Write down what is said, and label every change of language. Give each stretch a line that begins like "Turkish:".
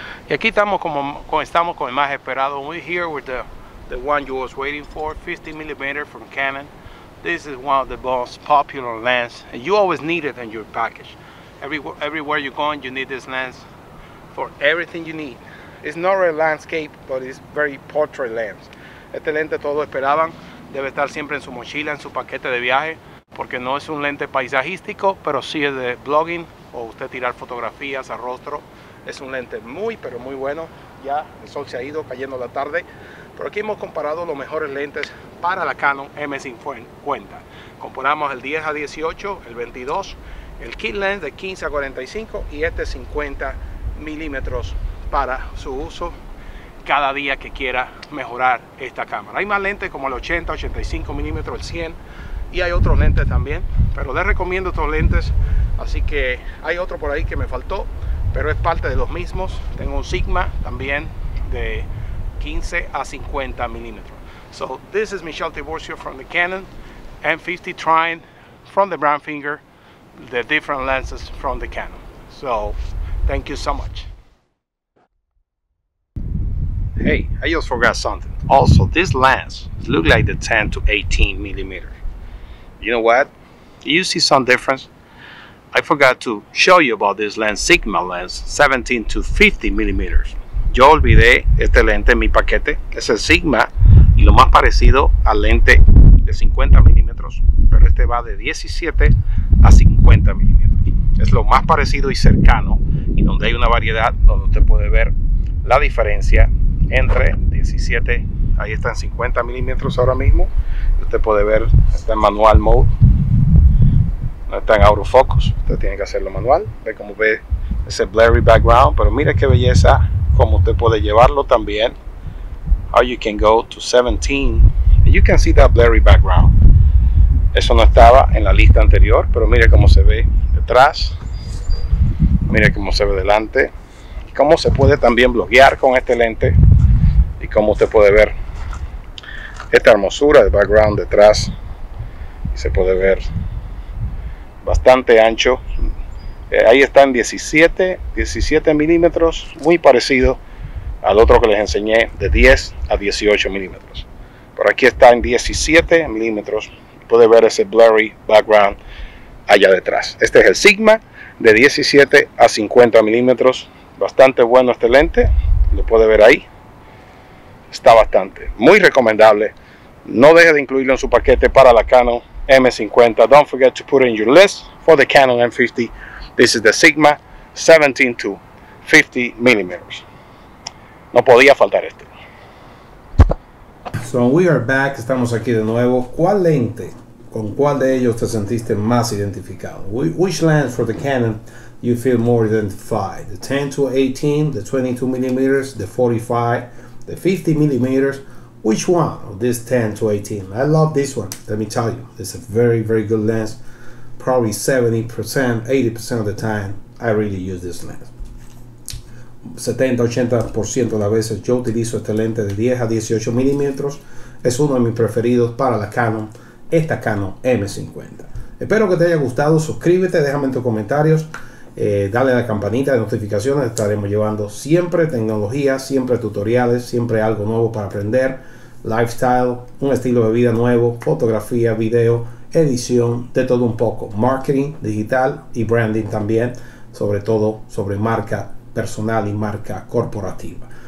Spanish: Y aquí estamos con el más esperado.
English: We're here with the one you was waiting for, 50 millimeter from Canon. This is one of the most popular lens, and you always need it in your package. Everywhere you're going, you need this lens for everything you need. It's not a landscape, but it's very portrait lens.
Spanish: Este lente todos esperaban, debe estar siempre en su mochila, en su paquete de viaje, porque no es un lente paisajístico, pero sí es de blogging o usted tirar fotografías a rostro. Es un lente muy, pero muy bueno. Ya el sol se ha ido cayendo la tarde, pero aquí hemos comparado los mejores lentes para la Canon M50. Comparamos el 10 a 18, el 22, el kit lens de 15 a 45 y este 50 milímetros para su uso cada día que quiera mejorar esta cámara. Hay más lentes como el 80, 85 milímetros, el 100, y hay otros lentes también, pero les recomiendo estos lentes. Así que hay otro por ahí que me faltó, pero es parte de los mismos. Tengo un Sigma también de 15 a 50 milímetros.
English: So this is Michel Tiburcio from the Canon M50, trying from the Brown Finger the different lenses from the Canon. So thank you so much. Hey, I just forgot something. Also, this lens looks like the 10 to 18 millimeter. You know what? You see some difference? I forgot to show you about this lens, Sigma lens, 17 to 50 millimeters.
Spanish: Yo olvidé este lente en mi paquete. Es el Sigma y lo más parecido al lente de 50 milímetros, pero este va de 17 a 50 milímetros. Es lo más parecido y cercano, y donde hay una variedad donde usted puede ver la diferencia entre 17, ahí están 50 milímetros ahora mismo. Usted puede ver, está en manual mode, no está en autofocus, usted tiene que hacerlo manual. Ve como ve ese blurry background, pero mire qué belleza, como usted puede llevarlo también.
English: How you can go to 17, and you can see that blurry background.
Spanish: Eso no estaba en la lista anterior, pero mire cómo se ve detrás. Mire cómo se ve delante. Cómo se puede también bloguear con este lente. Y cómo usted puede ver esta hermosura de background detrás. Y se puede ver bastante ancho. Ahí está en 17 milímetros. Muy parecido al otro que les enseñé, de 10 a 18 milímetros. Por aquí está en 17 milímetros. Puede ver ese blurry background allá detrás. Este es el Sigma de 17 a 50 milímetros. Bastante bueno este lente. Lo puede ver ahí. Está bastante. Muy recomendable. No deje de incluirlo en su paquete para la Canon M50.
English: Don't forget to put it in your list for the Canon M50. This is the Sigma 17 to 50 millimeters.
Spanish: No podía faltar este.
English: So we are back,
Spanish: estamos aquí de nuevo. ¿Cuál lente, con cuál de ellos te sentiste más identificado?
English: Which lens for the Canon you feel more identified? The 10 to 18, the 22 millimeters, the 45, the 50 millimeters. Which one of this 10 to 18? I love this one, let me tell you. It's a very, very good lens. Probably 70%, 80% of the time, I really use this lens.
Spanish: 70-80% de las veces yo utilizo este lente de 10 a 18 milímetros. Es uno de mis preferidos para la Canon, esta Canon M50. Espero que te haya gustado, suscríbete, déjame en tus comentarios, dale a la campanita de notificaciones. Estaremos llevando siempre tecnología, siempre tutoriales, siempre algo nuevo para aprender, lifestyle, un estilo de vida nuevo, fotografía, video, edición, de todo un poco, marketing digital y branding también, sobre todo sobre marca personal y marca corporativa.